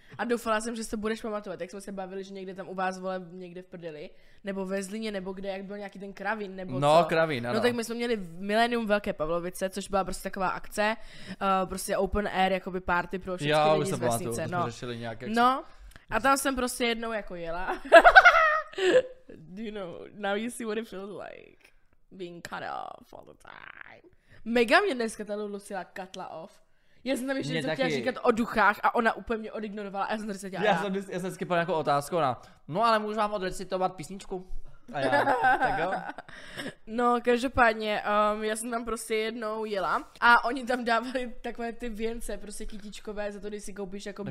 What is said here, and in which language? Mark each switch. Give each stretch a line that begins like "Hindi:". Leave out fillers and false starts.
Czech: A doufala jsem, že se budeš pamatovat, jak jsme se bavili, že někde tam u vás, vole, někde v prdeli, nebo ve Zlíně, nebo kde, jak byl nějaký ten kravín, nebo no, co. No, kravín, ano. No tak my jsme měli Millennium Velké Pavlovice, což byla prostě taková akce, prostě open air, jakoby party pro všechny lidi z vesnice. Já už se pamatuju, jsme řešili nějaké. No, a tam jsem prostě jednou jako jela.
English: Do you know, now you see what it feels like, being cut off all the time.
Czech: Mega mě dneska ta Lucila cutla off. Já jsem tam ještě něco chtěla říkat o duchách a ona úplně mě odignorovala a já jsem se dělala. Já jsem skypal nějakou otázku na, no ale můžu vám odrecitovat písničku? A já, tak jo. No každopádně, já jsem tam prostě jednou jela a oni tam dávali takové ty věnce, prostě kytičkové, za to, když si koupíš jakoby...